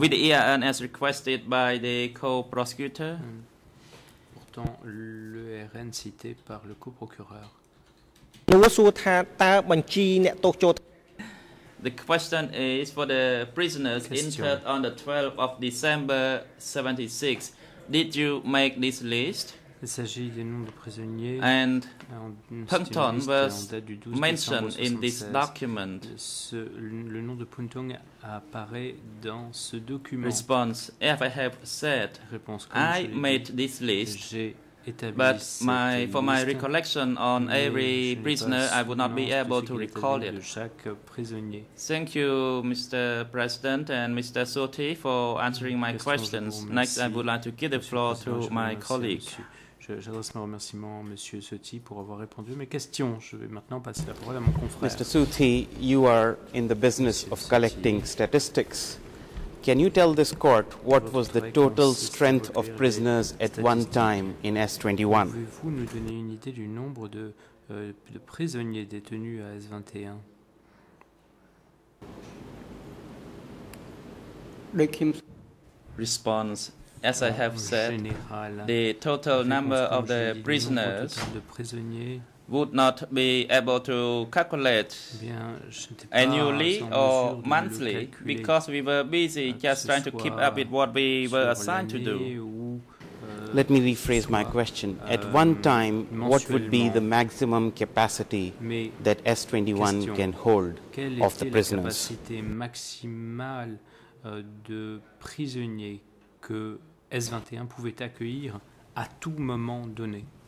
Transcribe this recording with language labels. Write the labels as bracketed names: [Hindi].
[English] with the EAN as requested by the co-prosecutor? [French] Pourtant, le RN cité par le co-procureur. [English] The question is for the prisoners interred on the 12th of December 76. Did you make this list? [French] Il s'agit des noms de prisonniers. [English] And Peng Ton was mentioned in this document. [French] Le nom de Peng Ton apparaît dans ce document. [English] Response. If I have said, [French] réponse, [English] I made this list. [French] J'ai [English] but my, for my recollection on every prisoner, I would not be able to recall it. Thank you, Mr. President and Mr. Souti, for answering my questions. Next, I would like to give the floor to my colleague. [French] J'adresse mes remerciements à Monsieur Souti pour avoir répondu à mes questions. Je vais maintenant passer la parole à mon confrère. [English] Mr. Souti, you are in the business of collecting statistics. Can you tell this court what was the total strength of prisoners at one time in S21? [French] Pouvez-vous nous donner une idée du nombre de prisonniers détenus à S21? [English] Response. As I have said, the total number of the prisoners would not be able to calculate annually or monthly because we were busy just trying to keep up with what we were assigned to do. Let me rephrase my question. At one time, what would be the maximum capacity that S21 can hold of the prisoners? [French] Quelle était la capacité maximale de prisonniers que S21 pouvait accueillir à tout moment donné?